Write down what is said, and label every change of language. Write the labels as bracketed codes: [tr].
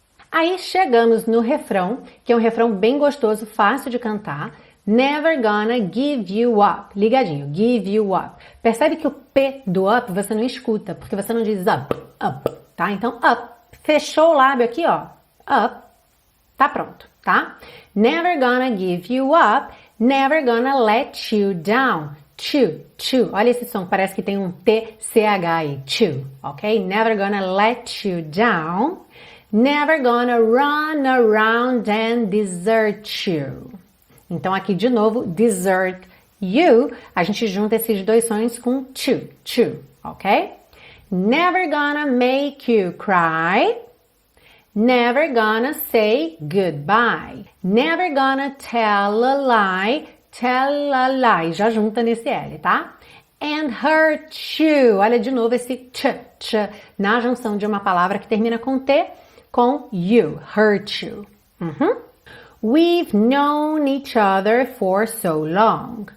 [pt] Aí chegamos no refrão, que é um refrão bem gostoso, fácil de cantar. [en] Never gonna give you up. [pt] Ligadinho, [en] give you up. [pt] Percebe que o P do up você não escuta, porque você não diz up, up, tá? Então up, fechou o lábio aqui, ó, up, tá pronto, tá? [en] Never gonna give you up, never gonna let you down. [pt] To, olha esse som, parece que tem um T-C-H aí, to, ok? [en] Never gonna let you down. Never gonna run around and desert you. [pt] Então aqui de novo, [en] desert you, [pt] a gente junta esses dois sons com to, ok? [en] Never gonna make you cry. Never gonna say goodbye. Never gonna tell a lie, tell a lie. [pt] Já junta nesse L, tá? [en] And hurt you. [pt] Olha de novo esse ch, na junção de uma palavra que termina com T, com you, [en] hurt you. Uhum. We've known each other for so long.